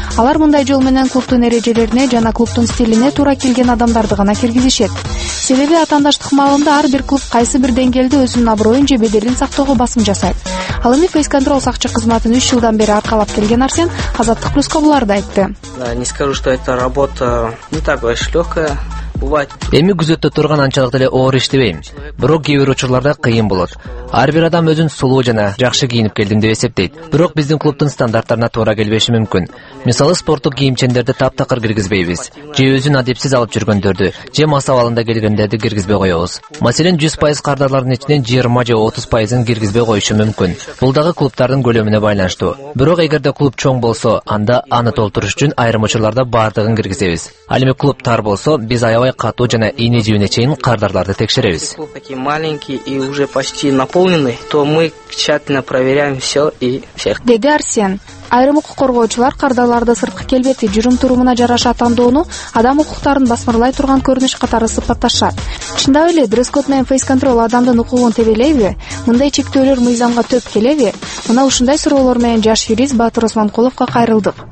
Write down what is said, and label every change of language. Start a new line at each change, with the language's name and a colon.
Kyrgyz: Алар мындай жол менен клубтун эрежелерине жана клубтун стилине туура келген адамдарды гана киргизишет. Себеби атаандаштык маалында ар бир клуб кайсы бир деңгээлде өзүнүн аброюн же беделин сактоого басым жасайт. Ал эми фейс-контрол сакчы кызматын 3 жылдан бери аркалап келген Арсен Азаттык Плюска буларды айтты.
Russian: Не скажу, что эта работа не так уж лёгкая.
Kyrgyz: Эми күзөттө турган анчалык деле оор иштебейм, бирок кээ бир учурларда кыйын болот. Ар бир адам өзүн сулуу жана жакшы кийинип келдим деп эсептейт, бирок биздин клубтун стандарттарына туура келбеши мүмкүн. Мисалы, спорттук кийимчендерди таптакыр киргизбейбиз, же өзүн адепсиз алып жүргөндөрдү, же мас абалында келгендерди киргизбей коебуз. Маселен, 100% кардарлардын ичинен 20 же 30% киргизбей коюшу мүмкүн. Бул дагы клубтардын көлөмүнө байланыштуу, бирок эгерде клуб чоң болсо, анда аны толтуруш үчүн айрым учурларда бардыгын киргизебиз. Ал эми клуб тар болсо, биз аябай катуу жана ийне жүйүнө чейин кардарларды текшеребиз.
Russian: Клуб такой маленький и уже почти наполненный, то мы тщательно проверяем все и всех.
Kyrgyz: Деди Арсен. Айрым укук коргоочулар кардарларды сырткы келбети, жүрүм турумуна жараша тандоону адам укуктарын басмырлай турган көрүнүш катары сыпатташат. Чындап эле дресс-код менен фейс-контрол адамдын укугун тебелейби? Мындай чектөөлөр мыйзамга төп келеби? Мына ушундай суроолор менен жаш юрист Баатыр Осмонкуловко кайрылдык.